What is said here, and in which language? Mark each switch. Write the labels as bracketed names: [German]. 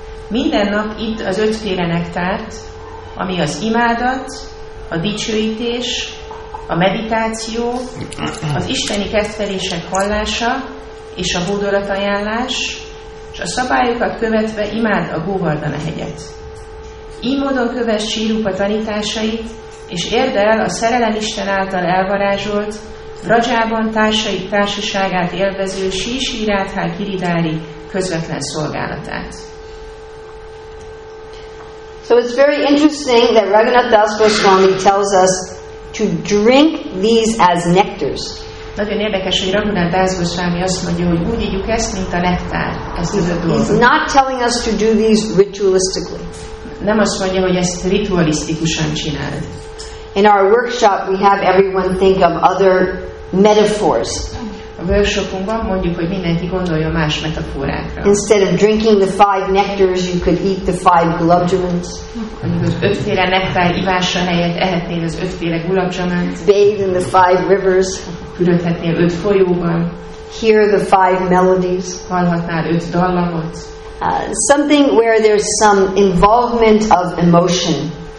[Hungarian] Minden nap itt az ötféle nektárt, ami az imádat, a dicsőítés, a meditáció, az isteni kedvelések hallása és a hódolatajánlás, és a szabályokat követve imád a Govardhana hegyet. Így módon kövess Sri Rupa tanításait, és érd el a szerelemisten által elvarázsolt Vrajában társait társaságát élvező Sisi Rádhá Giridhári közvetlen szolgálatát. [English] So it's very interesting that Raghunath Das Goswami tells us to drink these as nectars. [Hungarian] Nagyon érdekes, hogy Raghunath Das Goswami azt mondja, hogy úgy ígyük ezt, mint a nektár. [English] He's not telling us to do these ritualistically. [Hungarian] Nem azt mondja, hogy ezt ritualisztikusan csináld. [English] In our workshop, we have everyone think of other metaphors. [Hungarian] A workshopunkban mondjuk, hogy mindenki gondoljon más metaforákra. [English] Instead of drinking the five nectars, you could eat the five gulabjamans. [Hungarian] Ötféle nektár ivása helyett ehetnél az ötféle gulabjamant. [English] Bathe in the five rivers. [Hungarian] Fürödhetnél öt folyóban. [English] Hear the five melodies. [Hungarian] Hallhatnál öt dallamot. [English] Something where there's some involvement of emotion.